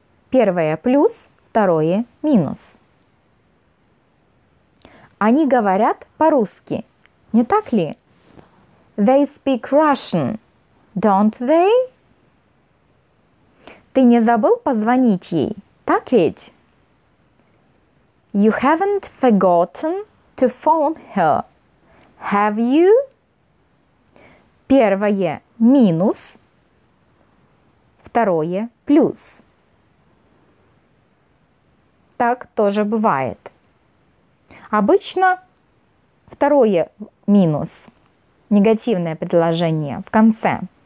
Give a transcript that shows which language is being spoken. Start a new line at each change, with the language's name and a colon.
Russian: Первое – плюс, второе – минус. Они говорят по-русски, не так ли?
English: They speak Russian, don't they?
Russian: Ты не забыл позвонить ей, так ведь?
English: You haven't forgotten to phone her, have you?
Russian: Первое – минус, второе – плюс. Так тоже бывает. Обычно второе минус, негативное предложение в конце.